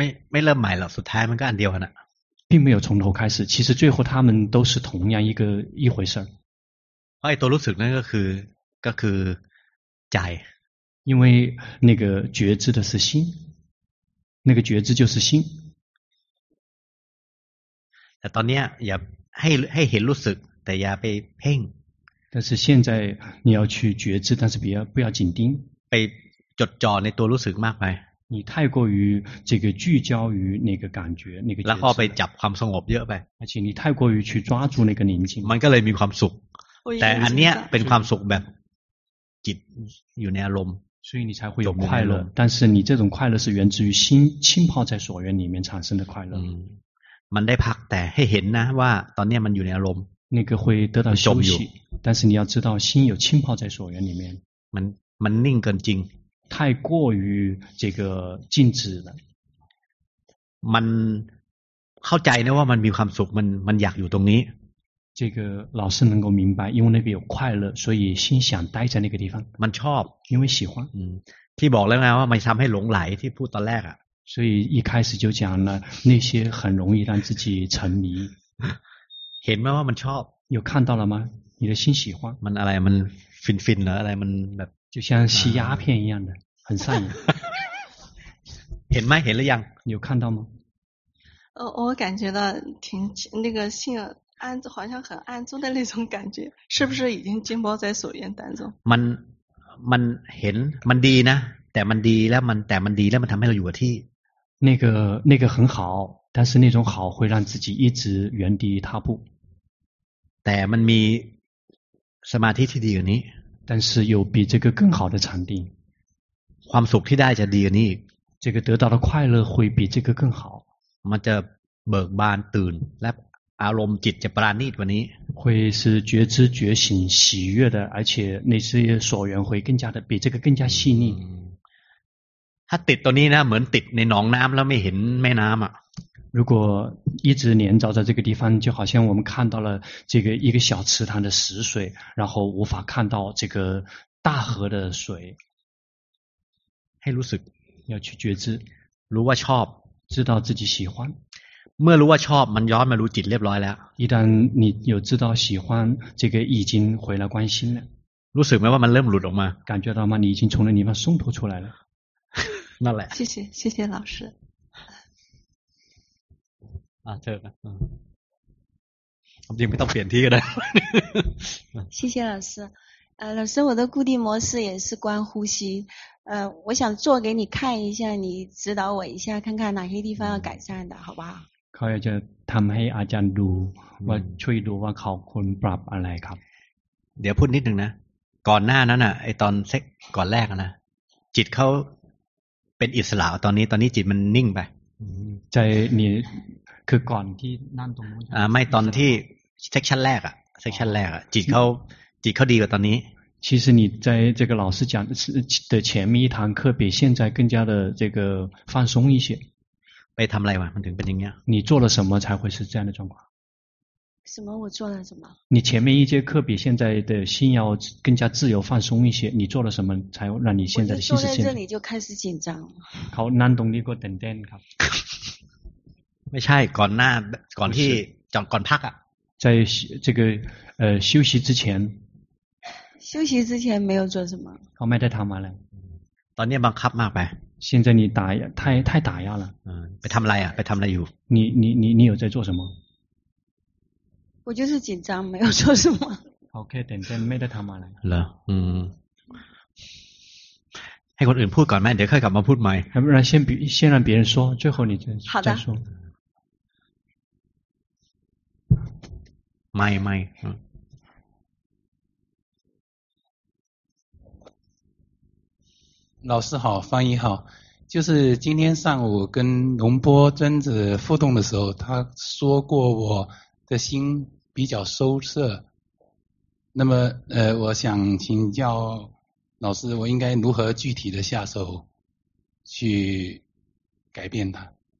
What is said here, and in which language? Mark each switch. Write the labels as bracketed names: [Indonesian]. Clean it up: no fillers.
[Thai] ไม่เริ่มใหม่หรอกสุดท้ายมันก็อันเดียวนะ [Chinese] 并没有从头开始其实最后他们都是同样一回事 [Thai] ไอ้ตัวรู้สึกนั่นก็คือใจ [Chinese] 因为那个觉知的是心那个觉知就是心 [Thai] แต่ตอนนี้อย่าให้เห็นรู้สึกแต่อย่าไปเพ่ง [Chinese] 但是现在你要去觉知但是不要紧盯 [Thai] ไ จดจ่อในตัวรู้สึกมากไป [Chinese] 你太过于这个聚焦于那个感觉那个然后被 [Thai] จับความสงบเยอะไป [Chinese] 而且你太过于去抓住那个宁静 [Thai] มันก็เลยมีความสุขแต่อันเนี้ยเป็นความสุขแบบจิตอยู่ในอารมณ์ [Chinese] 所以你才会有快乐但是你这种快乐是源自于心浸泡在所缘里面产生的快乐 [Thai] มันได้พักแต่ให้เห็นนะว่าตอนเนี้ยมันอยู่ในอารมณ์ [Chinese] 那个会得到休息但是你要知道心有浸泡在所缘里面 [Thai] มันนิ่งเกินจริง [Chinese] 太过于这个静止了 [Thai] มันเข้าใจนะว่ามันมีความสุขมันอยากอยู่ตรงนี้ [Chinese] 这个老师能够明白因为那边有快乐所以心想待在那个地方 [Thai] มันชอบ [Chinese] 因为喜欢 [Thai] ที่บอกแล้วนะว่ามันทำให้หลงไหลที่พูดตอนแรกอ่ะ [Chinese] 所以一开始就讲了那些很容易让自己沉迷 [Thai] เห็นไหมว่ามันชอบ [Chinese] 有看到了吗你的心喜欢 [Thai] มันอะไรมันฟินฟินอะไรมันแบบ [Chinese] 就像吸鸦片一样的很上瘾 [Thai] เห็นไหมเห็นหรือยัง [Chinese] 有看到吗我感觉到挺那个心安住好像很安住的那种感觉是不是已经浸泡在所缘当中 [Thai] มันเห็นมันดีนะแต่มันดีแล้วมันแต่มันดีแล้วมันทำให้เราอยู่กับที่ [Chinese] 那个很好但是那种好会让自己一直原地踏步 [Thai] แต่มันมีสมาธิที่ดีกว่านี้ [Chinese] 但是有比这个更好的禅定 [Thai] ความสุขที่ได้จะดีกว่านี้ [Chinese] 这个得到的快乐会比这个更好 [Thai] มันจะเบิกบานตื่นและอารมณ์จิตจะปราณีตกว่านี้ [Chinese] 会是觉知觉醒喜悦的而且那些所缘会更加的比这个更加细腻 [Thai] ถ้าติดตัวนี้นะเหมือนติดในหนองน้ำแล้วไม่เห็นแม่น้ำอ่ะ [Chinese] 如果一直黏着在这个地方就好像我们看到了这个一个小池塘的死水然后无法看到这个大河的水 [Thai] ให้รู้สึก [Chinese] 要去觉知 [Thai] รู้ว่าชอบ [Chinese] 知道自己喜欢 [Thai] เมื่อรู้ว่าชอบมันย้อนมารู้จิตเรียบร้อยแล้ว [Chinese] 一旦你有知道喜欢这个已经回来关心了 [Thai] รู้สึกไหมว่ามันเริ่มหลุดออกมา [Chinese] 感觉到吗你已经从那里面松脱出来了 [Thai] นั่นแหละ [Chinese] 谢谢老师 [Thai] เถอะครับจริงไม่ต้องเปลี่ยนที่ก็ได้ [Chinese] 谢谢老师老师我的固定模式也是观呼吸我想做给你看一下你指导我一下看看哪些地方要改善的好不好 [Thai] เขาจะทำให้อาจารย์ดูว่าช่วยดูว่าเขาควรปรับอะไรครับ เดี๋ยวพูดนิดนึงนะก่อนหน้านั้นอ่ะไอตอนเซ็กก่อนแรกนะจิตเขาเป็นอิสระตอนนี้จิตมันนิ่งไป ใจมีคือก่อนที่นั่นตรงนู้น ไม่ตอนที่เซ็กชันแรกอ่ะเซ็กชันแรกอ่ะจิตเขาดีกว่าตอนนี้ [Chinese] 其实你在这个老师讲的前面一堂课比现在更加的这个放松一些 [Thai] ไปทำอะไรวะมันถึงเป็นอย่างเงี้ย [Chinese] 你做了什么才会是这样的状况什么我做了什么你前面一节课比现在的心要更加自由放松一些你做了什么才让你现在的心是现在我就坐在这里就开始紧张 [Thai] เขานั่นตรงนี้ก็เต้นเต้นครับ ไม่ใช่ก่อนหน้าก่อนที่จอดก่อนพักอ่ะ [Chinese] 在这个休息之前休息之前没有做什么 [Thai] เขาไม่ได้ทำอะไร ตอนนี้บังคับมากไป [Chinese] 现在你打太打压了 [Thai] ไปทำอะไรอ่ะไปทำอะไรอยู่ [Chinese] 你有在做什么我就是紧张没有做什么 [Thai] OK เต้นเต้นไม่ได้ทำอะไร เหรอให้คนอื่นพูดก่อนไหมเดี๋ยวค่อยกลับมาพูดใหม่ [Chinese] 先让别人说最后你再说 [Thai] ไม่ [Chinese] 老师好翻译好就是今天上午跟龙波尊子互动的时候他说过我的心比较收摄那么我想请教老师我应该如何具体的下手去改变他